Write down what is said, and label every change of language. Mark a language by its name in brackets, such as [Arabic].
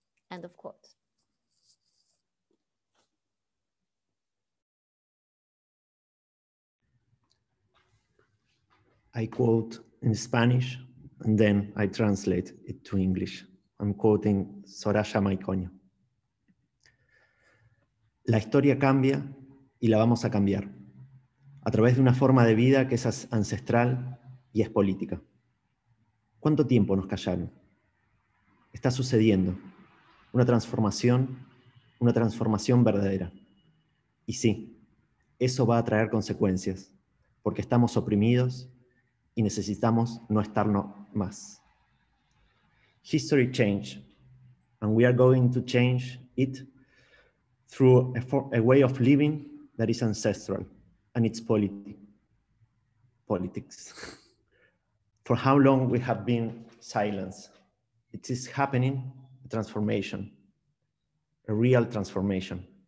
[English] End of quote. I quote in Spanish and then I translate it to English. I'm quoting Soraya Maicoño. [Spanish] La historia cambia y la vamos a cambiar a través de una forma de vida que es ancestral y es política. ¿Cuánto tiempo nos callaron? Está sucediendo una transformación verdadera. Y sí, eso va a traer consecuencias porque estamos oprimidos y necesitamos no estar más. [English] History changed, and we are going to change it through a way of living that is ancestral, and it's politics. For how long we have been silenced, it is happening, a transformation, a real transformation.